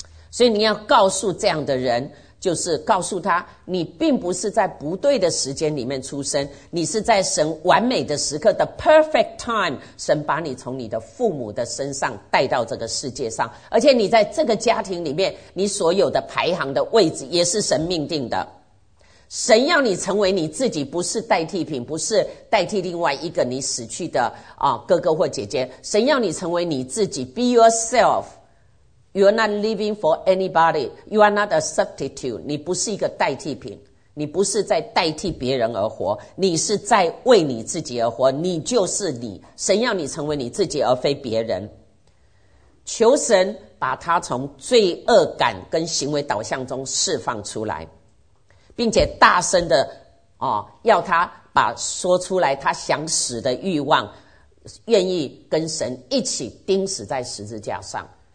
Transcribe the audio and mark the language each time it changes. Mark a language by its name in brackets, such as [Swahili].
[Chinese] 所以你要告诉这样的人，就是告诉他，你并不是在不对的时间里面出生，你是在神完美的时刻 [English] the perfect time， [Chinese] 神把你从你的父母的身上带到这个世界上，而且你在这个家庭里面你所有的排行的位置也是神命定的。神要你成为你自己，不是代替品，不是代替另外一个你死去的哥哥或姐姐。神要你成为你自己， [English] be yourself。 You are not living for anybody. You are not a substitute. [Chinese] 你不是一个代替品，你不是在代替别人而活，你是在为你自己而活，你就是你。神要你成为你自己而非别人。求神把他从罪恶感跟行为导向中释放出来，并且大声的要他把说出来他想死的欲望，愿意跟神一起钉死在十字架上。